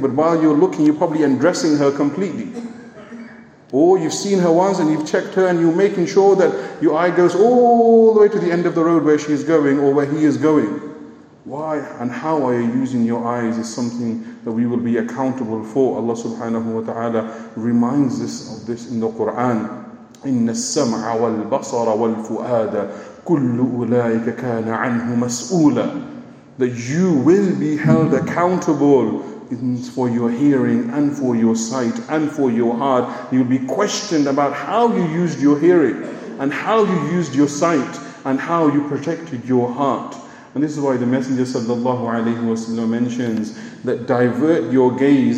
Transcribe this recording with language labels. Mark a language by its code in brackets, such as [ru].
[en] But while you're looking, you're probably undressing her completely. Or you've seen her once and you've checked her and you're making sure that your eye goes all the way to the end of the road where she's going or where he is going. Why and how are you using your eyes is something that we will be accountable for. Allah subhanahu wa ta'ala reminds us of this in the Quran. [ar] إِنَّ السَّمْعَ وَالْبَصَرَ وَالْفُؤَادَ كُلُّ أُولَٰئِكَ كَانَ عَنْهُ مَسْؤُولًا. [en] That you will be held accountable for your hearing and for your sight and for your heart. You'll be questioned about how you used your hearing and how you used your sight and how you protected your heart. And this is why the Messenger sallallahu alaihi wasallam mentions that divert your gaze.